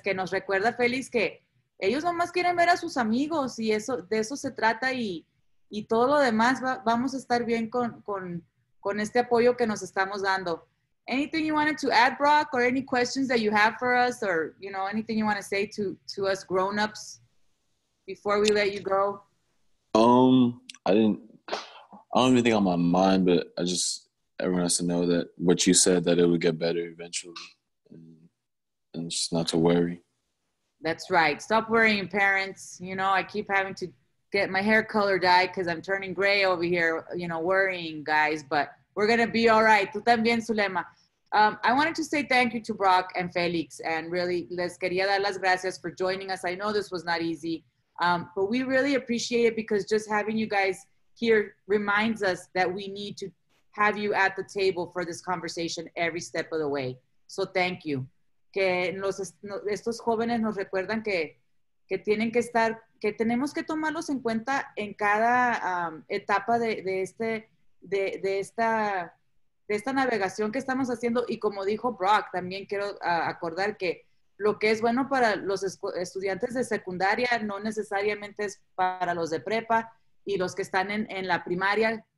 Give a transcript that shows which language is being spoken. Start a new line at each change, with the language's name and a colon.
Spanish: Que nos recuerda, Felix, que ellos nomás quieren ver a sus amigos, y eso de eso se trata, y todo lo demás vamos a estar bien con este apoyo que nos estamos dando.
English: Anything you wanted to add, Brock, or any questions that you have for us, or, you know, anything you want to say to us grown-ups before we let you go? I don't even think on my mind, but I just, everyone has to know that what you said, that it would get better eventually, and just not to worry. That's right. Stop worrying, parents. You know, I keep having to get my hair color dyed because I'm turning gray over here, you know, worrying, guys, but we're going to be all right.
Spanish: Tú también,
English: Zulema. I wanted to say thank you to Brock and Felix, and really,
Spanish: les quería dar las gracias
English: for joining us. I know this was not easy, but we really appreciate it, because just having you guys here reminds us that we need to have you at the table for this conversation every step of the way. So thank you.
Spanish: Que estos jóvenes nos recuerdan que tienen que estar, que tenemos que tomarlos en cuenta en cada etapa de esta navegación que estamos haciendo. Y como dijo Brock, también quiero acordar que lo que es bueno para los estudiantes de secundaria no necesariamente es para los de prepa y los que están en la primaria.